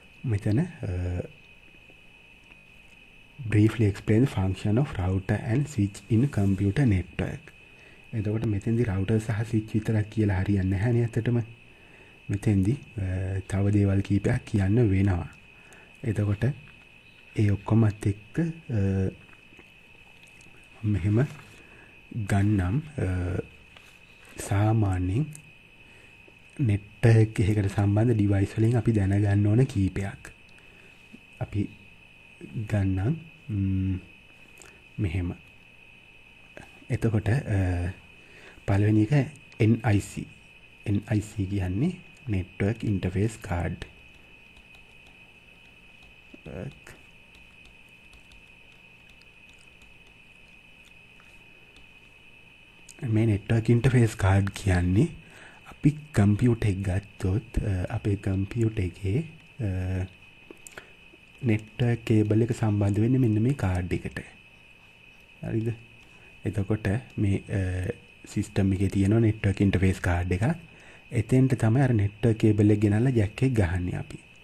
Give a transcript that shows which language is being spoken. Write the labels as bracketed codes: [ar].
[si] මෙතන [en] briefly explain the function of router and switch in computer network. [si] එතකොට මෙතෙන්දි router සහ switch විතරක් කියලා හරියන්නේ නැහැ නේ ඇත්තටම. මෙතෙන්දි තව දේවල් කීපයක් කියන්න වෙනවා. එතකොට ඒ ඔක්කොමත් එක්ක මෙහෙම ගන්නම්. සාමාන්‍යයෙන් network එකකට සම්බන්ධ device වලින් අපි දැනගන්න ඕන කීපයක් අපි ගන්නම්. මෙහෙම එතකොට පළවෙනි එක NIC. NIC කියන්නේ Network Interface Card. මේ Network Interface Card කියන්නේ කම්පියුටර් එක ගත්තොත් අපේ කම්පියුටර් එකේ නෙට්වර්ක් කේබල් එක සම්බන්ධ වෙන්නේ මෙන්න මේ කාඩ් එකට. හරිද? එතකොට මේ සිස්ටම් එකේ තියෙන නෙට්වර්ක් ඉන්ටර්ෆේස් කාඩ් එක එතෙන්ට තමයි අර නෙට්වර්ක් කේබල් එක ගෙනල්ලා ජැක් එක ගහන්නේ අපි.